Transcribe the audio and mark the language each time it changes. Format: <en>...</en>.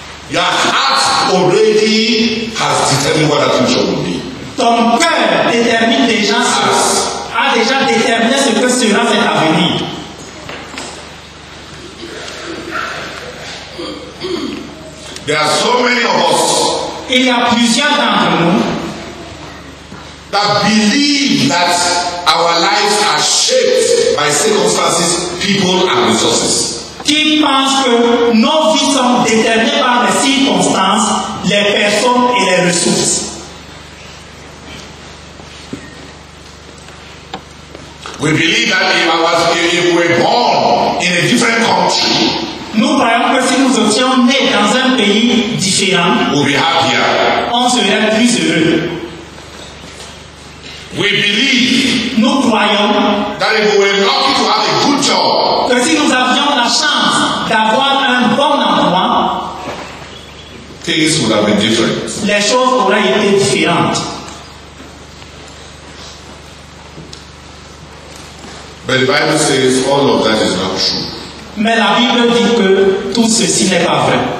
<en>Your heart already has determined what that future will be.</en> <fr>Ton cœur détermine déjà ce, a déjà déterminé ce que sera cet avenir.</fr> <en>There are so many of us.</en> <fr>Il y a plusieurs d'entre nous</fr> <en>that believe that our lives are shaped by circumstances, people, and resources.</en> <fr>Qui pense que nos vies sont déterminées par les circonstances, les personnes et les ressources.</fr> <en>We believe that if we were born in a different country,</en> <fr>nous croyons que si nous étions nés dans un pays différent,</fr> <en>we'll be happier.</en> <fr>On serait plus heureux.</fr> <en>We believe</en> <fr>nous croyons</fr> <en>that if we were lucky to have a good job,</en> <fr>que si nous avions la chance d'avoir un bon</fr> <en>Things would have been different.</en> <fr>Les choses auraient été différentes.</fr> <en>But the Bible says all of that is not true.</en> <fr>Mais la Bible dit que tout ceci n'est pas vrai.</fr>